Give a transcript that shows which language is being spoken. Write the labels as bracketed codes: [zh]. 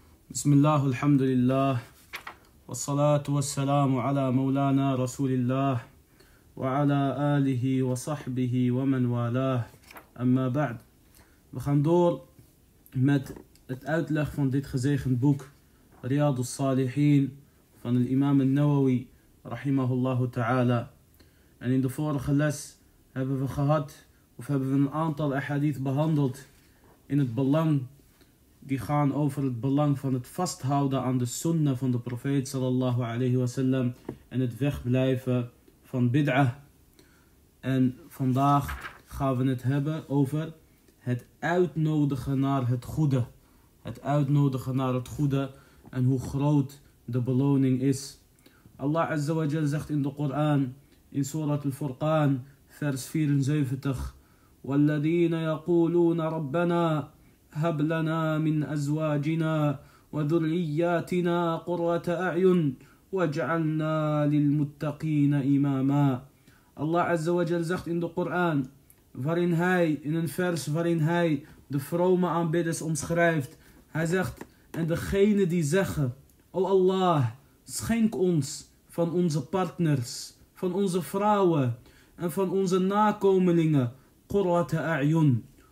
[ar] بسم الله الحمد لله والصلاة والسلام على مولانا رسول الله وعلى آله وصحبه ومن والاه أما بعد. [nl] We gaan door met het uitleg van dit gezegend boek رياض الصالحين van de imam al-Nawawi [ar] رحمه الله تعالى. [nl] En in de vorige les hebben we een aantal ahadith behandeld in het belang. Die gaan over het belang van het vasthouden aan de sunnah van de profeet [ar] sallallahu alayhi wasallam [nl] en het wegblijven van bid'ah. En vandaag gaan we het hebben over het uitnodigen naar het goede. Het uitnodigen naar het goede en hoe groot de beloning is. Allah [ar] azza wa jal [nl] zegt in de Koran, in Surat al-Furqan, vers 74. [ar] وَالَّذِينَ يَقُولُونَ رَبَّنَا هب لنا من أزواجنا وذرياتنا قرة أعين واجعلنا للمتقين إماما. الله عز وجل [nl] zegt in de Koran, waarin hij, in een vers waarin hij de vrome aanbidders omschrijft, hij zegt: en degene die zeggen, O Allah, schenk ons van onze partners, van onze vrouwen en van onze nakomelingen [ar] قرة أعين.